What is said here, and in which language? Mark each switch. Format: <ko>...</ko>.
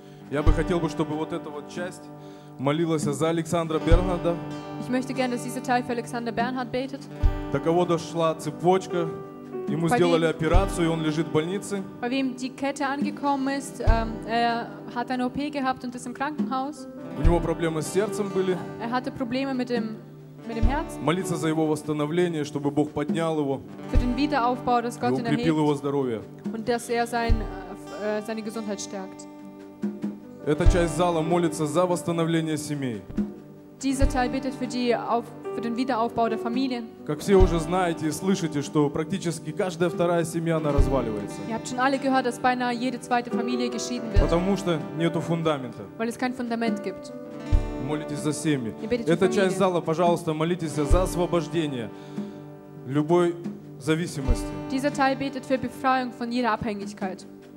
<ru>Я бы хотел, чтобы вот эта вот часть молилась за Александра Бернхарда.</ru> <de>Ich möchte gerne, dass dieser Teil für Alexander Bernhard betet.</de> <ru>До кого дошла цепочка? Ему сделали операцию, он лежит в больнице.</ru> <de>Bei wem die Kette angekommen ist, hat eine OP gehabt und ist im Krankenhaus.</de> <ru>У него проблемы с сердцем были.</ru> <de>Er hatte Probleme mit dem Herz.</de> <ru>Молиться за его восстановление, чтобы Бог поднял его.</ru> <de>Für den Wiederaufbau, dass Gott ihn erhebt.</de> <ru>Укрепил его здоровье.</ru> <de>Und dass er seine Gesundheit stärkt.</de> <ru>Эта часть зала молится за восстановление семей.</ru> <de>Dieser Teil betet für den Wiederaufbau der Familien.</de> <ru>Как все уже знаете и слышите, что практически каждая вторая семья она разваливается.</ru> <de>Ihr habt schon alle gehört, dass beinahe jede zweite Familie geschieden wird.</de> <ru>Потому что нету фундамента.</ru> <de>Weil es kein Fundament gibt.</de> <ru>Молитесь за семьи. Эта часть зала, пожалуйста, молитесь за освобождение любой зависимости.</ru> <de>Dieser Teil betet für Befreiung von jeder Abhängigkeit.</de>